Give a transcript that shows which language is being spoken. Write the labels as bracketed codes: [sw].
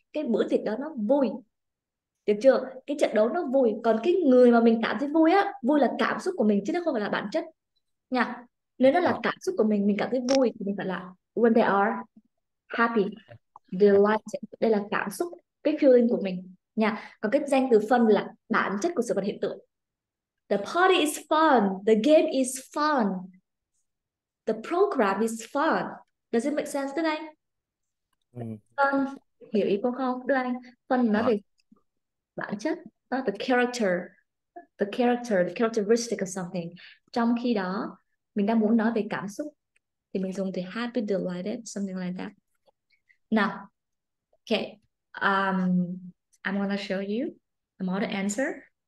[vi] Cái bữa tiệc đó nó vui. Được chưa? Cái trận đấu nó vui, còn cái người mà mình cảm thấy vui á, vui là cảm xúc của mình chứ nó không phải là bản chất. Nha. Nếu nó là cảm xúc của mình cảm thấy vui thì mình phải là [en] when they are happy, delighted. [vi] Đây là cảm xúc, cái feeling của mình. Nha. Còn cái danh từ fun là bản chất của sự vật hiện tượng. [en] The party is fun, the game is fun, the program is fun. Does it make sense to anh? Fun, [vi] hiểu ý cô không? Đưa anh, fun nói về bản chất, [en] the characteristic of something. [vi] Trong khi đó, mình đang muốn nói về cảm xúc, thì mình dùng từ [en] happy, delighted, something like that. Now, okay, I'm gonna show you a model answer.